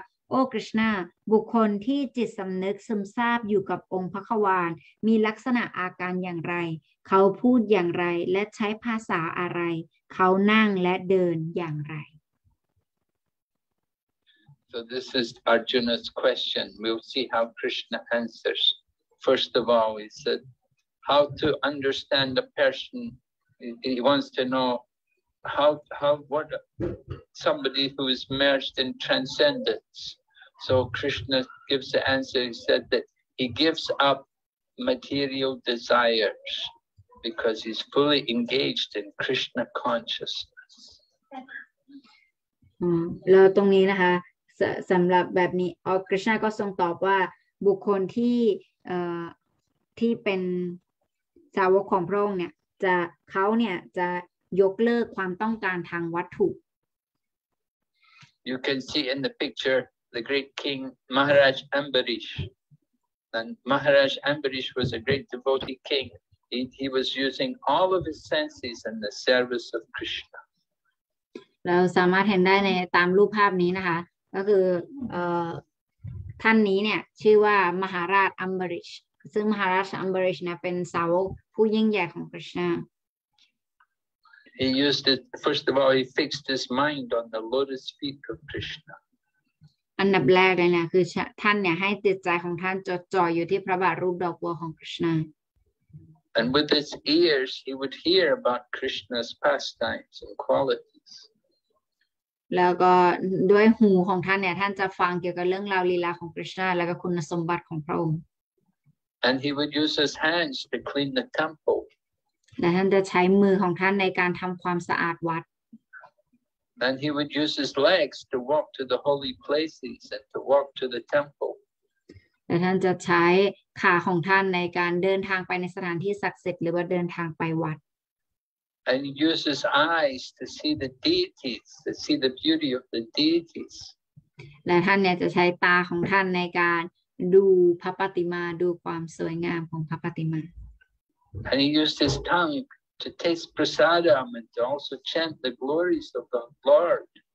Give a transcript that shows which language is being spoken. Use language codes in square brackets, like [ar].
[th] โอ้คริชนาบุคคลที่จิตสำนึกซึมซาบอยู่กับองค์พระควานมีลักษณะอาการอย่างไรเขาพูดอย่างไรและใช้ภาษาอะไรเขานั่งและเดินอย่างไร [en] So this is Arjuna's question. We'll see how Krishna answers. First of all, he said, how to understand a person. He wants to know how somebody who is merged in transcendence. So Krishna gives the answer, he said that he gives up material desires because he's fully engaged in Krishna consciousness. [th] แล้วตรงนี้นะคะสำหรับแบบนี้อ๋อ Krishna ก็ทรงตอบว่าบุคคลที่เป็นสาวกของพระองค์เนี่ยจะเขาเนี่ยจะยกเลิกความต้องการทางวัตถุ [en] You can see in the picturethe great king Maharaj Ambarish. And Maharaj Ambarish was a great devotee king. He was using all of his senses in the service of Krishna. [th] เราสามารถเห็นได้ในตามรูปภาพนี้นะคะก็คือท่านนี้เนี่ยชื่อว่ามหาราชอัมบริชซึ่งมหาราชอัมบริชเนี่ยเป็นสาวกผู้ยิ่งใหญ่ของ Krishna. [en] He used it, first of all, he fixed his mind on the lotus feet of Krishna. [th] อันดับแรกเลยนะคือท่านเนี่ยให้จิตใจของท่านจดจ่ออยู่ที่พระบาทรูปดอกบัวของคริชนา [en] And with his ears he would hear about Krishna's pastimes and qualities [th] แล้วก็ด้วยหูของท่านเนี่ยท่านจะฟังเกี่ยวกับเรื่องราวลีลาของคริชนาแล้วก็คุณสมบัติของพระองค์ [en] And he would use his hands to clean the temple [th] และท่านจะใช้มือของท่านในการทำความสะอาดวัด [en] And he would use his legs to walk to the holy places and to walk to the temple. [th] แต่ท่านจะใช้ขาของท่านในการเดินทางไปในสถานที่ศักดิ์สิทธิ์หรือว่าเดินทางไปวัด [en] And he uses his eyes to see the deities, to see the beauty of the deities. [th] และท่านเนี่ยจะใช้ตาของท่านในการดูพระปฏิมาดูความสวยงามของพระปฏิมา [en] And he used his tongueTo taste prasadam and to also chant the glories of the Lord.